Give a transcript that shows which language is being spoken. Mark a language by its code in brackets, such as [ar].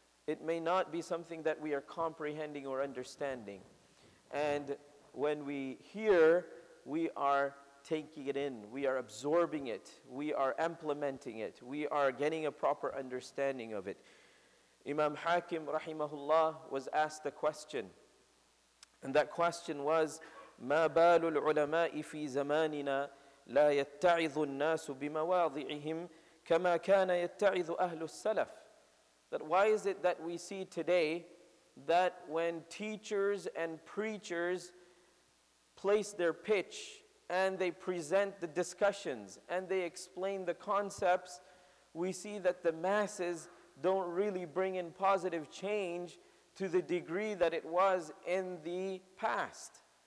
[en] It may not be something that we are comprehending or understanding. And when we hear, we are taking it in. We are absorbing it. We are implementing it. We are getting a proper understanding of it. Imam Hakim, rahimahullah, was asked a question. And that question was, [ar] مَا بَالُ الْعُلَمَاءِ فِي زَمَانِنَا لَا يَتَّعِذُ النَّاسُ بِمَوَاضِعِهِمْ كَمَا كَانَ يَتَّعِذُ أَهْلُ السَّلَفِ. [en] That why is it that we see today that when teachers and preachers place their pitch and they present the discussions and they explain the concepts, we see that the masses don't really bring in positive change to the degree that it was in the past.